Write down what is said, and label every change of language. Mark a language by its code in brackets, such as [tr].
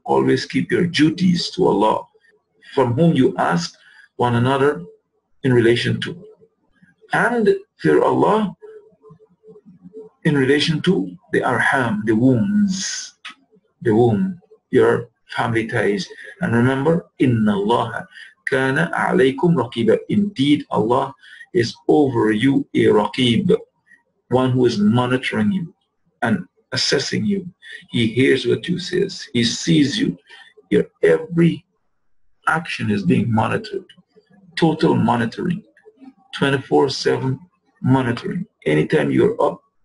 [en] Always keep your duties to Allah, from whom you ask one another in relation to. And fear Allah in relation to the arham, the wounds, the womb, your family ties. And remember, [ar] إِنَّ اللَّهَ كَانَ عَلَيْكُمْ رَقِيبًا. [en] Indeed, Allah is over you a raqib, one who is monitoring you and assessing you. He hears what you say. He sees you. Your every action is being monitored. Total monitoring. 24/7 monitoring. Anytime you're up,